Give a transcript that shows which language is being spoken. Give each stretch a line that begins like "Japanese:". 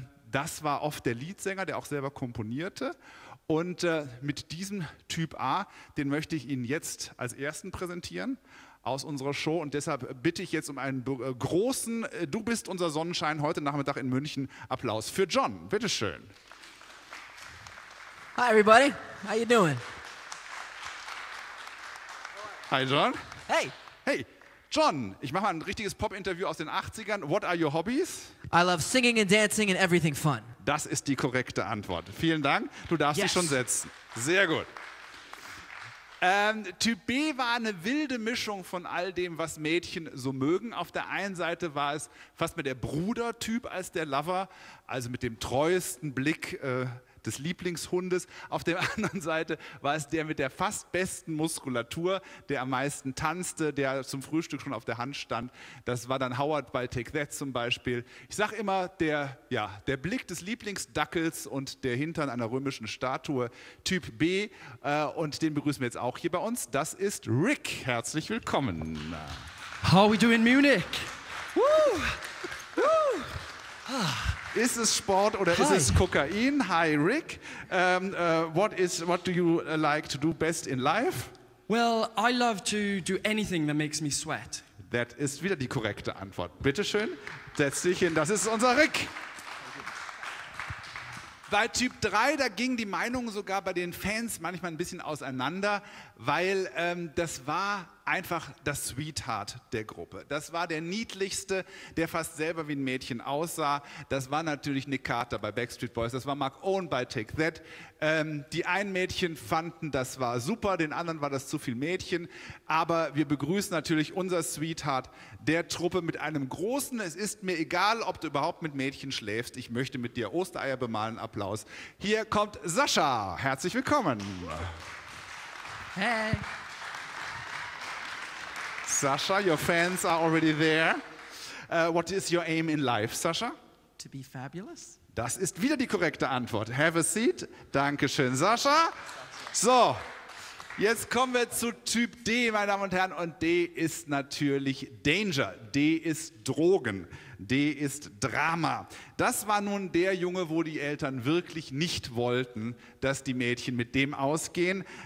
German: Das war oft der Leadsänger, der auch selber komponierte. Und mit diesem Typ A, den möchte ich Ihnen jetzt als Ersten präsentieren aus unserer Show. Und deshalb bitte ich jetzt um einen großen, du bist unser Sonnenschein heute Nachmittag in München, Applaus für John. Bitteschön.
English: Hi everybody, how you doing? Hi John. Hey.
German: Hey, John, ich mache mal ein richtiges Pop-Interview aus den 80ern.
English: What are your hobbies? I love singing and dancing and everything fun.
German: Das ist die korrekte Antwort. Vielen Dank. Du darfst dich schon setzen. Sehr gut. Typ B war eine wilde Mischung von all dem, was Mädchen so mögen. Auf der einen Seite war es fast mehr der Brudertyp als der Lover, also mit dem treuesten Blick des Lieblingshundes. Auf der anderen Seite war es der mit der fast besten Muskulatur, der am meisten tanzte, der zum Frühstück schon auf der Hand stand. Das war dann Howard bei Take That zum Beispiel. Ich sage immer, der Blick des Lieblingsdackels und der Hintern einer römischen Statue, Typ B. Und den begrüßen wir jetzt auch hier bei uns. Das ist Rick. Herzlich willkommen.
English: How are we doing, Munich? Woo! Woo! Ah.
German: Ist es Sport oder ist es Kokain?
English: Hi, Rick. What do you like to do best in life? Well, I love to do anything that makes me sweat.
German: That ist wieder die korrekte Antwort. Bitte schön, setz dich hin. Das ist unser Rick. Bei Typ 3, da gingen die Meinungen sogar bei den Fans manchmal ein bisschen auseinander, weil das war einfach das Sweetheart der Gruppe. Das war der niedlichste, der fast selber wie ein Mädchen aussah. Das war natürlich Nick Carter bei Backstreet Boys, das war Mark Owen bei Take That. Die einen Mädchen fanden, das war super, den anderen war das zu viel Mädchen. Aber wir begrüßen natürlich unser Sweetheart der Truppe mit einem großen, es ist mir egal, ob du überhaupt mit Mädchen schläfst, ich möchte mit dir Ostereier bemalen, Applaus. Hier kommt Sascha, herzlich willkommen. Hey.
English: Sascha, your fans are already there. What is your aim in life, Sascha? To be fabulous.
German: Das ist wieder die korrekte Antwort.
English: Have a seat.
German: Dankeschön, Sascha. So, jetzt kommen wir zu Typ D, meine Damen und Herren. Und D ist natürlich Danger. D ist Drogen. D ist Drama. Das war nun der Junge, wo die Eltern wirklich nicht wollten, dass die Mädchen mit dem ausgehen.